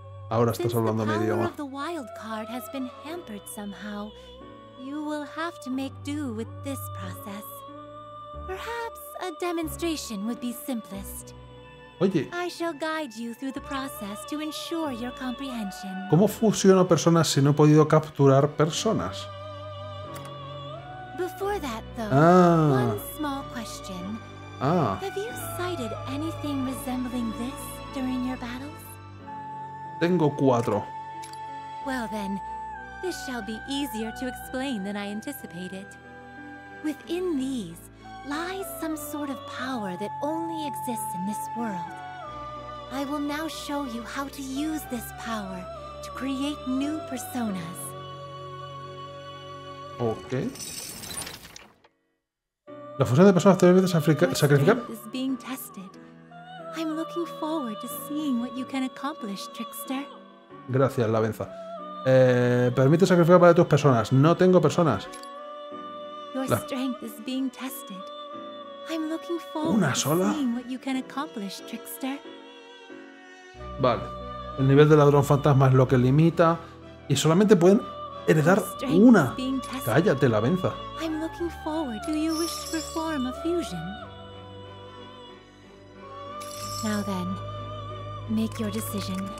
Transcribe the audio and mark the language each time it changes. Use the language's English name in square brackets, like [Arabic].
[Spanish] Ahora estás hablando mi idioma. [English] Since the wild card has been hampered somehow, you will have to make do with this process. Perhaps a demonstration would be simplest. [Spanish] Oye. [English] I shall guide you through the process to ensure your comprehension. [Spanish] ¿Cómo fusiono personas si no he podido capturar personas? [English] Before that, though, one small question. Have you sighted anything resembling this during your battles? [Spanish] Tengo cuatro. [English] Well then, this shall be easier to explain than I anticipated. Within these lies some sort of power that only exists in this world. I will now show you how to use this power to create new personas. Okay. [Spanish] La fusión de personas te permite sacrificar. [English] Is being tested. I'm looking forward to seeing what you can accomplish, Trickster. [Spanish] Gracias, Lavenza. Permite sacrificar para tus personas. No tengo personas. [English] Your strength is being tested. I'm looking forward to seeing what you can accomplish, Trickster. [Spanish] Vale. El nivel de ladrón fantasma es lo que limita y solamente pueden heredar una. Cállate, Lavenza. [English] I'm looking forward. Do you wish to perform a fusion? Now then, make your decision.